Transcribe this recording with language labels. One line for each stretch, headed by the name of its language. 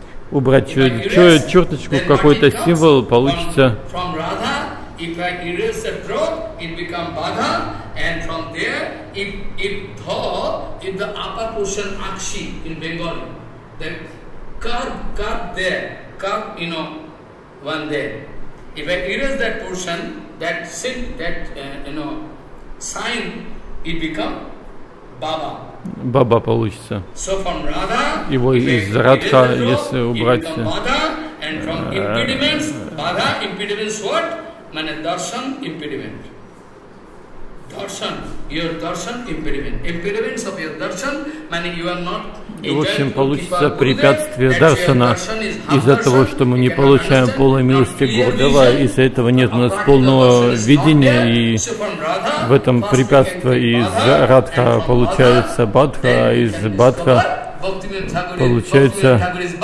Russian: Убрать черточку, какой-то символ, получится...
English: If I erase the drop, it becomes badha, and from there, if dha, if the upper portion akshi in Bengali, then curve there, curve, you know, one there. If I erase that portion, that sin, that, you know, sign, it becomes baba.
Russian: Baba получится.
English: So from radha,
Russian: его из радха, если убрать...
English: It becomes badha, and from impediments, badha, impediments what? Mane darshan impediment. Darshan, your darshan impediment. Impediments of your darshan, mane you are not...
Russian: В общем, получится препятствие дарсана из-за того, что мы не получаем полной милости Гурдева, из-за этого нет у нас полного видения, и в этом препятствие из Радха получается Бадха, а из Бадха получается